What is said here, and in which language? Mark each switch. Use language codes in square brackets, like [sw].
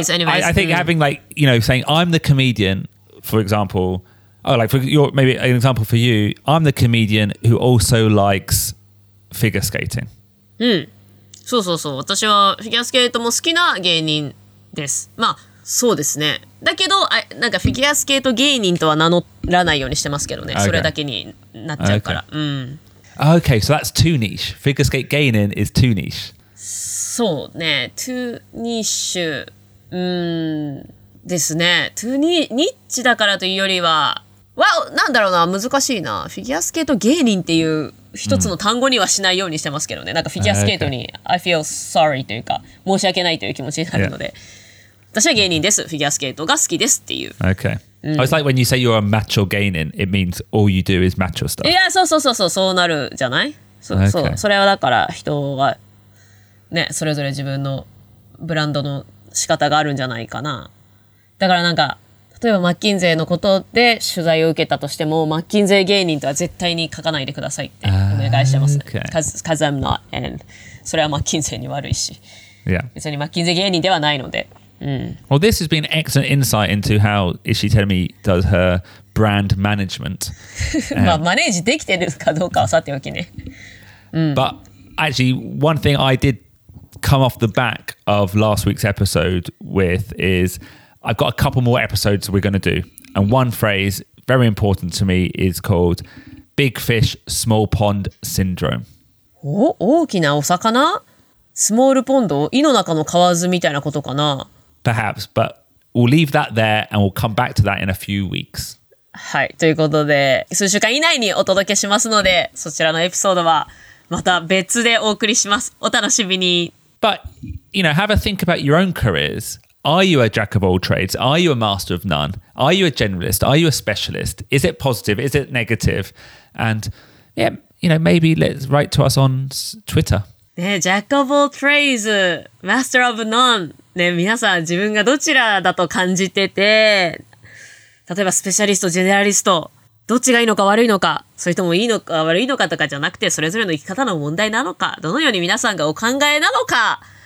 [en] I think having like, you know, saying I'm the comedian, for example, oh, like for your, maybe an example for you, I'm the comedian who also likes figure skating. [ja] うん、そうそうそう、私はフィギュアスケートも好きな芸人です。まあそうですね。だけど、なんかフィギュアスケート芸人とは名乗らないようにしてますけどね。 [en] Okay. [ja] それだけになっちゃうから。 [en] Okay. [ja] うん。 [en] Okay, so that's too niche. Figure skate 芸人 is too niche. [ja] そうね。too niche。 ですね。 too niche だからというよりは、わ、なんだろうな、難しいな。フィギュアスケート芸人っていう一つの単語にはしないようにしてますけどね。なんかフィギュアスケートに、 [en] I feel sorry [ja] というか、申し訳ないという気持ちになるので。 Yeah. 私は芸人です。フィギュアスケートが好きですっていう。 [en] Okay. It's like when you say you're a macho 芸人, it means all you do is macho stuff. [ja] いや、そうそうそうそう、そうなるじゃない？そう、okay. そう。それはだから人はね、それぞれ自分のブランドの仕方があるんじゃないかな。だからなんか、例えばマッキンゼーのことで取材を受けたとしても、マッキンゼー芸人とは絶対に書かないでくださいってお願いしてます。 [en] Because I'm not, and [ja] それはマッキンゼーに悪いし。 [en] Yeah. [ja] 別にマッキンゼー芸人ではないので。 [en] Well, this has been excellent insight into how Ishitemi does her brand management. [ja] manage できてるかどうかはさておきね。 [en] But actually, one thing I did come off the back of last week's episode with is I've got a couple more episodes we're going to do. And one phrase very important to me is called big fish, small pond syndrome. Oh, [ja] 大きなお魚 [en] small pond? [ja] 井の中の蛙みたいなことかな。 [en] Perhaps, but we'll leave that there and we'll come back to that in a few weeks. [ja] はい、ということで、数週間以内にお届けしますので、そちらのエピソードはまた別でお送りします。お楽しみに。 [en] But, you know, have a think about your own careers. Are you a jack of all trades? Are you a master of none? Are you a generalist? Are you a specialist? Is it positive? Is it negative? And yeah, you know, maybe let's write to us on Twitter. [ja] ね、 [en] jack of all trades, master of none. [ja] ね、皆さん自分がどちらだと感じてて、例えばスペシャリスト、ジェネラリスト、どっちがいいのか悪いのか、それともいいのか悪いのかとかじゃなくて、それぞれの生き方の問題なのか、どのように皆さんがお考えなのか、